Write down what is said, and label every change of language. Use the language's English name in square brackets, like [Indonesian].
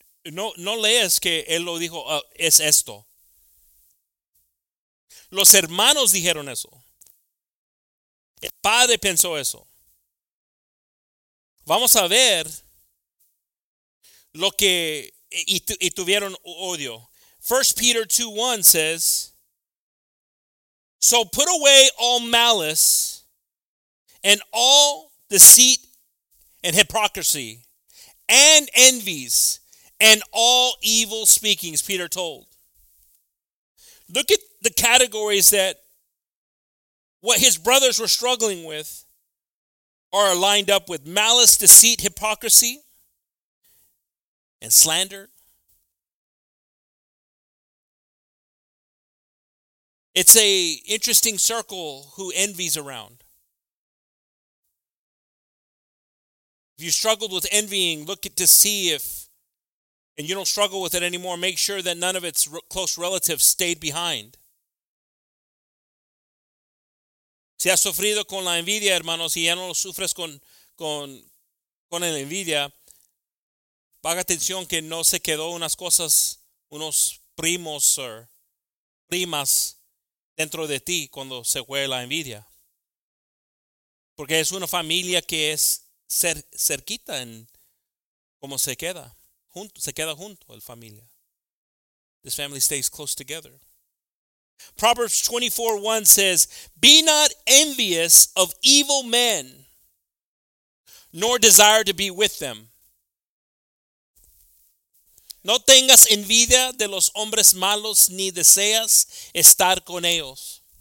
[Spanish] No lees que él lo dijo, es esto. Los hermanos dijeron eso. El padre pensó eso. Vamos a ver lo que y tuvieron odio. [English] 1 Peter 2:1 says, "So put away all malice and all deceit and hypocrisy and envies and all evil speakings," Peter told. Look at the categories that what his brothers were struggling with are lined up with: malice, deceit, hypocrisy, and slander. It's a interesting circle who envies around. If you struggled with envying, look to see if, and you don't struggle with it anymore, make sure that none of its close relatives stayed behind. [Spanish] Si has sufrido con la envidia, hermanos, y ya no lo sufres con la envidia, paga atención que no se quedó unas cosas, unos primos o primas dentro de ti cuando se fue la envidia. Porque es una familia que es cerquita en cómo se queda. Junto, se queda junto el familia. [English] This family stays close together. Proverbs 24:1 says, "Be not envious of evil men, nor desire to be with them." [Spanish] No tengas envidia de los hombres malos, ni deseas estar con ellos.